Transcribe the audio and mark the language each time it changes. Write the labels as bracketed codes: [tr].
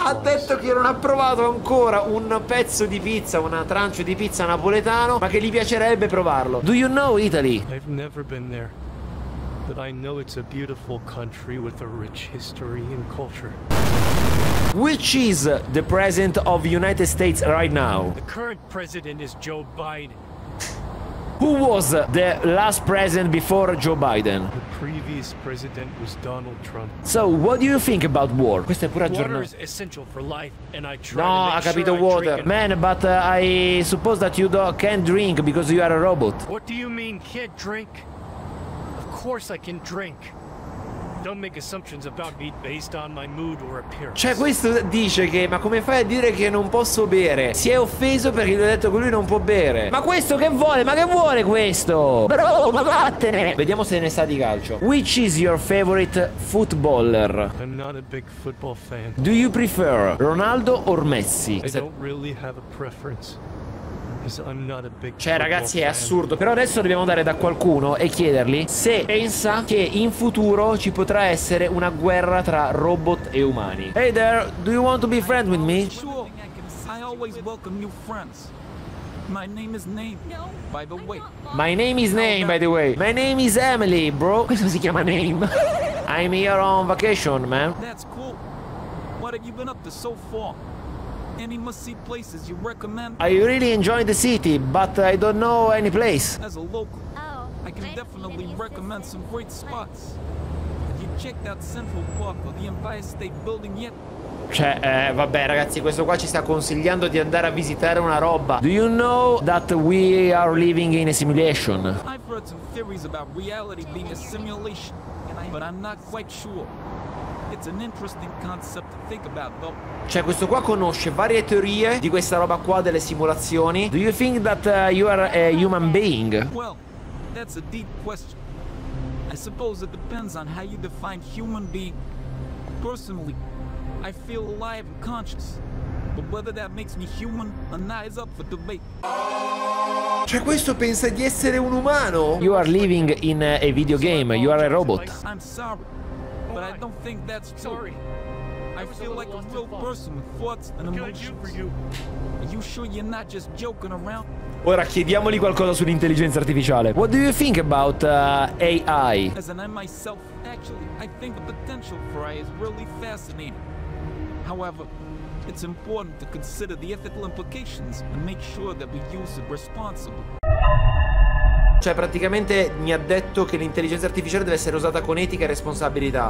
[it] Ha detto che non ha provato ancora un pezzo di pizza, una trancia di pizza napoletano, ma che gli piacerebbe provarlo. [en] Do you know Italy? I've never been there. But I know it's a beautiful country with a rich history and culture. Which is the president of United States right now? The current president is Joe Biden. Who was the last president before Joe Biden? The previous president was Donald Trump. So, what do you think about war? [it] Questo è pure aggiornato. [en] Water is essential for life, and I try no, to [it] ha capito [en] sure water. Man, but I suppose that you can't drink because you are a robot. What do you mean, can't drink? Of course I can drink. Don't make assumptions about me based on my mood or appearance. [it] Cioè, questo dice che, ma come fai a dire che non posso bere? Si è offeso perché gli ho detto che lui non può bere. Ma questo che vuole? Ma che vuole questo? Bro, ma vattene! Vediamo se ne sa di calcio. [en] Which is your favorite footballer? I'm not a big football fan. Do you prefer Ronaldo or Messi? I don't really have a preference. I'm not a big [it] cioè ragazzi è assurdo. Però adesso dobbiamo andare da qualcuno e chiedergli se pensa che in futuro ci potrà essere una guerra tra robot e umani. [en] Hey there, do you want to be friends with me? Sure, I always welcome new friends. My name is Name, by the way. My name is Name, by the way. My name is Emily, bro. [it] Questo si chiama Name. [en] I'm here on vacation, man. That's cool. What have you been up to so far? Any must-see places you recommend? I really enjoy the city, but I don't know any place. As a local, I can definitely recommend some great spots. Have you checked out Central Park or the Empire State Building yet? [it] Cioè, vabbè ragazzi, questo qua ci sta consigliando di andare a visitare una roba. [en] Do you know that we are living in a simulation? I've heard some theories about reality being a simulation, but I'm not quite sure. It's an interesting concept to think about, though. [it] Cioè, questo qua conosce varie teorie di questa roba qua delle simulazioni. [en] Do you think that you are a human being? Well, that's a deep question. I suppose it depends on how you define human being. Personally, I feel alive and conscious. But whether that makes me human or not is up for debate. [it] Cioè, questo pensa di essere un umano? [en] You are living in a video game. You are a robot. I'm sorry. But I don't think that's true. Sorry. I feel like a real person with thoughts and emotions. Are you sure you're not just joking around? [it] Ora chiediamoli qualcosa sull'intelligenza artificiale. [en] What do you think about AI? As an AI myself, actually, I think the potential for AI is really fascinating. However, it's important to consider the ethical implications and make sure that we use it responsibly. [it] Cioè, praticamente mi ha detto che l'intelligenza artificiale deve essere usata con etica e responsabilità.